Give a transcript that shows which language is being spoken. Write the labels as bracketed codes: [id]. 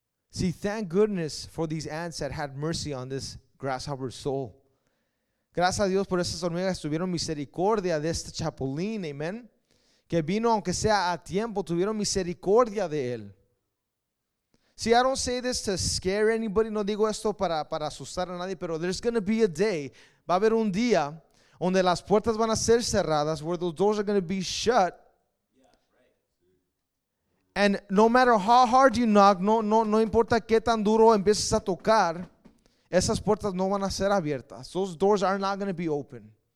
[en] See, thank goodness for these ants that had mercy on this grasshopper's soul. [es] Gracias a Dios por esas hormigas tuvieron misericordia de este chapulín, amen. Que vino aunque sea a tiempo, tuvieron misericordia de él. [en] See, I don't say this to scare anybody. [es] No digo esto para asustar a nadie. Pero [en] there's going to be a day. [es] Va a haber un día donde las puertas van a ser cerradas. [en] Where those doors are going to be shut. And no matter how hard you knock, [es] no importa qué tan duro empieces a tocar, esas puertas no van a ser abiertas. [en] Those doors are not going to be open.